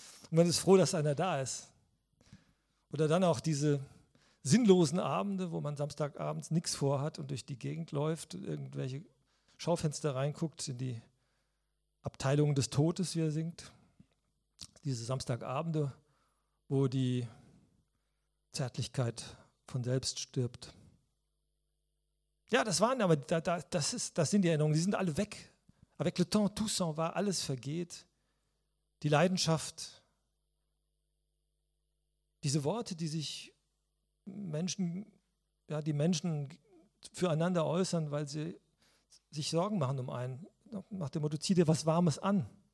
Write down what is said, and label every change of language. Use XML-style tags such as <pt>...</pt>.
<de>Und man ist froh, dass einer da ist. Oder dann auch diese sinnlosen Abende, wo man samstagabends nichts vorhat und durch die Gegend läuft, irgendwelche Schaufenster reinguckt, in die Abteilung des Todes, wie er singt. Diese Samstagabende, wo die Zärtlichkeit von selbst stirbt. Ja, das waren aber, das sind die Erinnerungen, die sind alle weg.</de> <fr>Avec le temps, tout s'en va,</fr> <de>alles vergeht. Die Leidenschaft, diese Worte, die sich Menschen, ja, die Menschen füreinander äußern, weil sie sich Sorgen machen um einen. Nach dem Motto, zieh dir was Warmes an.</de>